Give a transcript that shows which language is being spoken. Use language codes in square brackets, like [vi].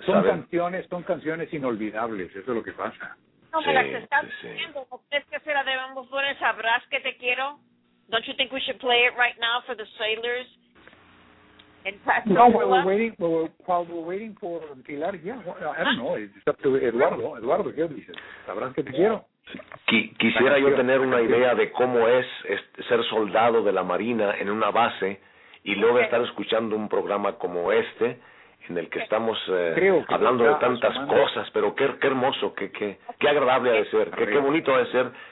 [es] Son canciones inolvidables, eso es lo que pasa. No, me las están diciendo. ¿No crees que se la debemos poner? Sabrás que te quiero. [en] Don't you think we should play it right now for the sailors? No, while we're waiting for Pilar, yeah, I don't know, it's up to Eduardo, [es] ¿qué dices? Sabrás que te quiero. Quisiera yo tener una idea de cómo es ser soldado de la Marina en una base y luego estar escuchando un programa como este, en el que estamos hablando de tantas cosas, pero qué hermoso, qué agradable ha de ser, qué bonito ha de ser.